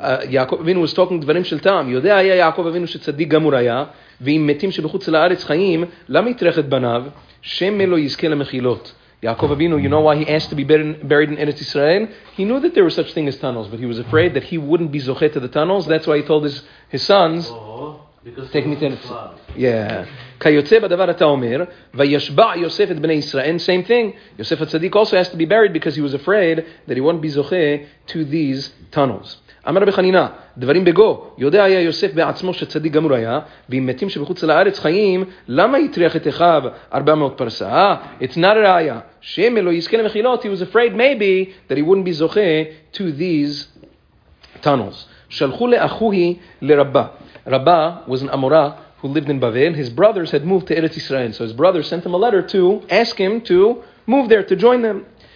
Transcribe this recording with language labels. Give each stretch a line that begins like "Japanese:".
Hebrew: יעקב אבינו was talking דברים של טעם, יודע היה יעקב אבינו שצדיק גמור היה, ואם מתים שבחוץ לארץ חיים, למה יטרח את בניו? שמא לא יזכה למחילות.
English: יעקב אבינו, you know why he asked to be buried in Eretz Israel? He knew that there was such thing as tunnels, but he was afraid that he wouldn't be זוכה to the tunnels. That's why he told his sons, take me to Eretz. Yeah.
Hebrew: כיוצא בדבר אתה אומר, וישבע יוסף את בני ישראל,
English: same thing. יוסף הצדיק also has to be buried because he was afraid that he won't be זוכה to these tunnels.
Hebrew: אמר בחנינה, דברים בגו, יודע היה יוסף בעצמו שצדיק גמור היה, ואם מתים שבחוץ לארץ חיים, למה יטריח את אחיו 400 פרסה?
English: It's not a ראיה.
Hebrew: שם אלו יזכה למחילות,
English: he was afraid maybe that he wouldn't be זוכה to these tunnels.
Hebrew: שלחו לאחוהי לרבה.
English: רבה was an amora who lived in Bavel. His brothers had moved to Eretz Israel. So his brothers sent him a letter to ask him to move there, to join them.